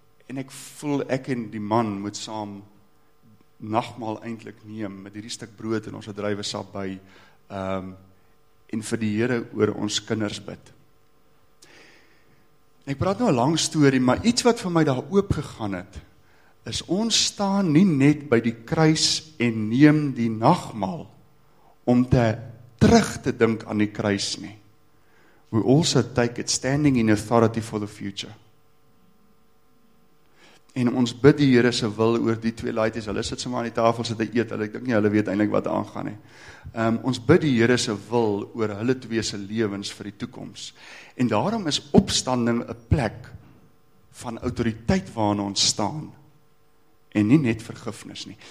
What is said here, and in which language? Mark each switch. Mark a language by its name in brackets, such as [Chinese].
[Afrikaans] En ek voel ek en die man moet saam nagmaal eintlik neem met hierdie stuk brood en ons het druiwe sap by, en vir die Here oor ons kinders bid. Ek praat nou 'n lang story, maar iets wat vir my daar oop gegaan het, is ons staan nie net by die kruis en neem die nagmaal om te terug te dink aan die kruis nie. [English] We also take it standing in authority for the future. [Afrikaans] En ons bid die Here se wil oor die 2 laities, hulle sit sommer aan die tafel, sit en eet, hulle, ek dink nie, hulle weet eintlik wat aangaan nie. Ons bid die Here se wil oor hulle 2 se lewens vir die toekoms. En daarom is opstanding 'n plek van autoriteit waarna ons staan, en nie net vergifnis nie.